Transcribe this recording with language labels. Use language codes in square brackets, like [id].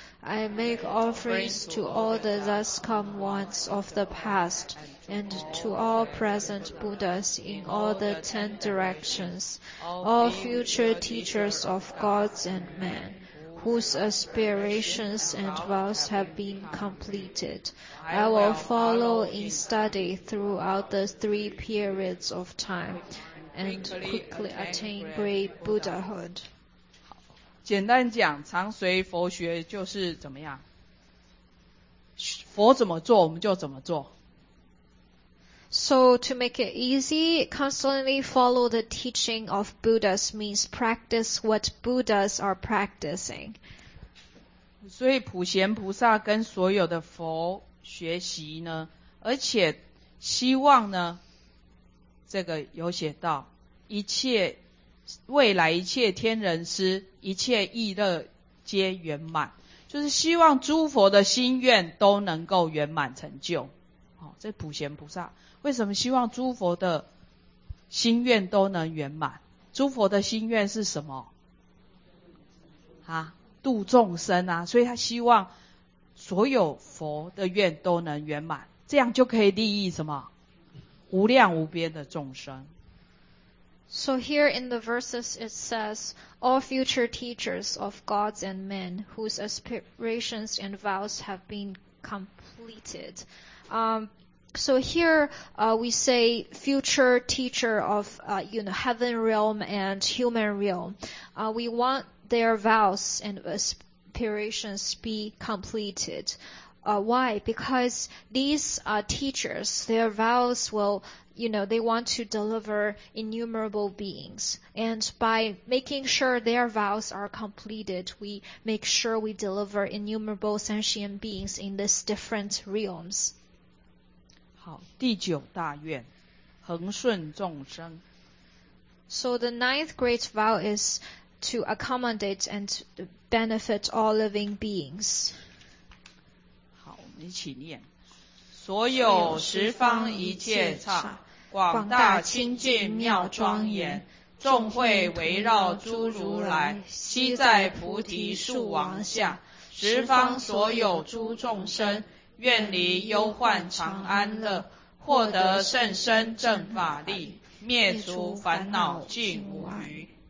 [en] I make offerings to all the thus come ones of the past and to all present Buddhas in all the ten directions, all future teachers of gods and men, whose aspirations and vows have been completed. I will follow in study throughout the three periods of time and quickly attain great Buddhahood. [zh] 好，简单讲，常随佛学就是怎么样？佛怎么做，我们就怎么做。 [en] So to make it easy, constantly follow the teaching of Buddhas means practice what Buddhas are practicing. [zh] 所以普贤菩萨跟所有的佛学习呢，而且希望呢，这个有写到，一切未来一切天人师，一切意乐皆圆满，就是希望诸佛的心愿都能够圆满成就。这普贤菩萨为什么希望诸佛的心愿都能圆满？诸佛的心愿是什么？啊，度众生啊，所以他希望所有佛的愿都能圆满，这样就可以利益什么无量无边的众生。 [en] So here in the verses it says, all future teachers of gods and men whose aspirations and vows have been completed. So here we say future teacher of heaven realm and human realm. We want their vows and aspirations be completed. Why? Because these teachers, their vows will, they want to deliver innumerable beings. And by making sure their vows are completed, we make sure we deliver innumerable sentient beings in these different realms. [zh] 好，第九大愿，恒顺众生。 [en] So the ninth great vow is to accommodate and benefit all living beings. [zh] 你请念，所有十方一切刹，广大清净妙庄严，众会围绕诸如来，悉在菩提树王下，十方所有诸众生，愿离忧患常安乐，获得甚深正法力，灭除烦恼尽无余。